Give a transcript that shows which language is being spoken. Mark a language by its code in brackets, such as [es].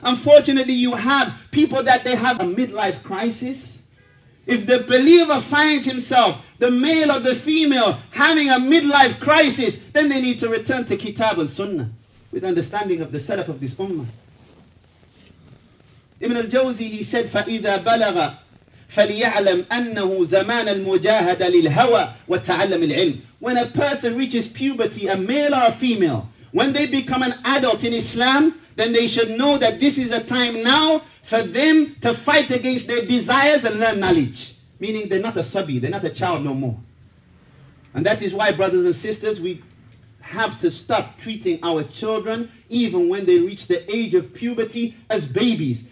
[en] Unfortunately, you have people that they have a midlife crisis. If the believer finds himself, the male or the female, having a midlife crisis, then they need to return to Kitab and Sunnah with understanding of the Salaf of this Ummah. [ar] Ibn al-Jawzi, [en] he said, [ar] فَإِذَا بَلَغَ فَلْيَعْلَمْ أَنَّهُ زَمَانَ الْمُجَاهَدَ لِلْهَوَى وَتَعَلَّمِ الْعِلْمِ. [en] When a person reaches puberty, a male or a female, when they become an adult in Islam, then they should know that this is a time now for them to fight against their desires and learn knowledge. Meaning they're not a sabi, they're not a child no more. And that is why, brothers and sisters, we have to stop treating our children, even when they reach the age of puberty, as babies.